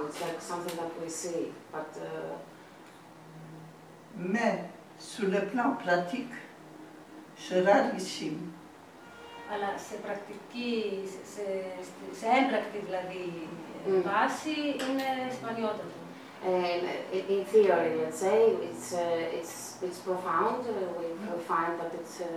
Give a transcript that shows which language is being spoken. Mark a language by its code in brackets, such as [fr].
[en] It's like something that we see, but. [fr] Mais sur le plan pratique, c'est rarissime. [el] Αλλά σε πρακτική, σε έμπρακτη δηλαδή βάση είναι σπανιότατο. [en] In theory, let's say it's profound. We find that it's.